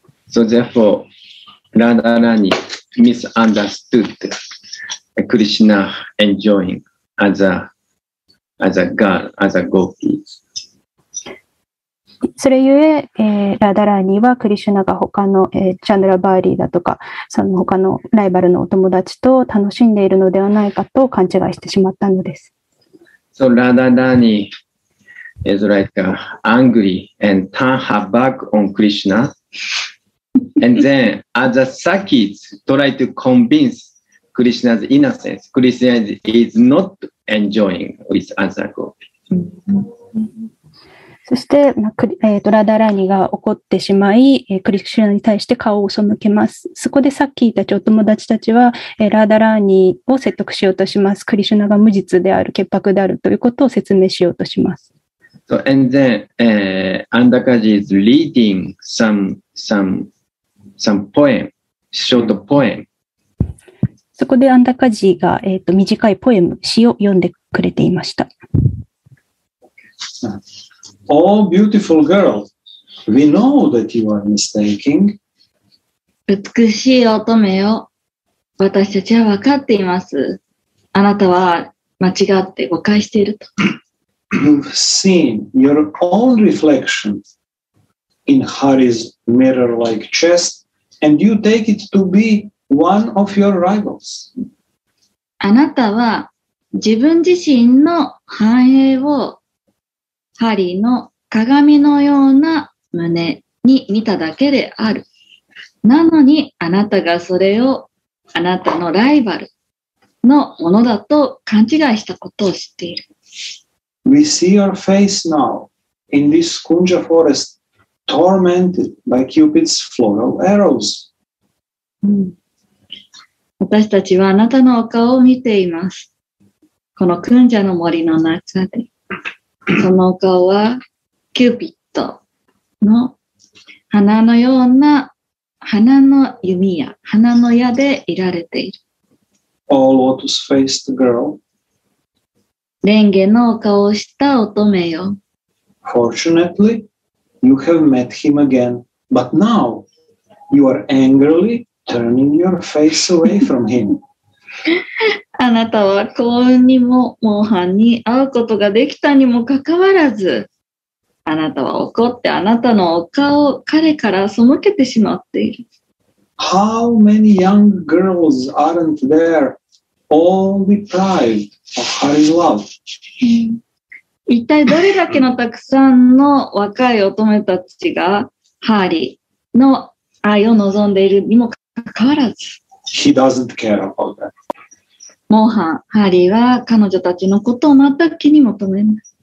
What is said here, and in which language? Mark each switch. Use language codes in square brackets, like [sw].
[en] So therefore, ラダラニー misunderstood Krishna enjoying as a girl, as a gopi. [ja] それゆえ、ラダラーニはクリシュナが他の、チャンドラバーリーだとかその他のライバルのお友達と楽しんでいるのではないかと勘違いしてしまったのです。 [en] So Radharani is like angry and turn her back on Krishna and then other sakis try to convince Krishna's innocence. Krishna is not enjoying with other gopis. [ja] そして、ラダラニが怒ってしまい、クリシュナに対して顔を背けます。そこでさっき言ったちお友達たちは、ラダラニを説得しようとします。クリシュナが無実である、潔白であるということを説明しようとします。 [en] So, and then, Andakaji is reading some poem, short poem. [ja] そこでアンダカジが、短いポエム、詩を読んでくれていました。 [en] Oh, beautiful girl, we know that you are mistaken. [ja] 美しい乙女よ。私たちは分かっています。あなたは間違って誤解していると。 [en] You've seen your own reflection in Harry's mirror-like chest, and you take it to be one of your rivals. [ja] あなたは自分自身の反映をハリーの鏡のような胸に見ただけである。なのにあなたがそれをあなたのライバルのものだと勘違いしたことを知っている。 [en] We see your face now in this Kunja forest, tormented by Cupid's floral arrows.、 [ja] うん、私たちはあなたのお顔を見ています。このクンジャの森の中で、そのお顔はキューピッドの花のような花の弓矢、花の矢でいられている。 [en] All lotus faced girl. [ja] レンゲのお顔をした乙女よ。 [en] Fortunately, you have met him again, but now you are angrily turning your face away from him. [ja] あなたは幸運にもモンハンに会うことができたにもかかわらず、あなたは怒ってあなたのお顔を彼から背けてしまっている。 [en] How many young girls aren't there, all deprived of Harry's love? [ja] 一体どれだけのたくさんの若い乙女たちがハリーの愛を望んでいるにもかかわらず。 [en] He doesn't care about that. [ja] モンハン、ハリーは彼女たちのことを全く気に留めない。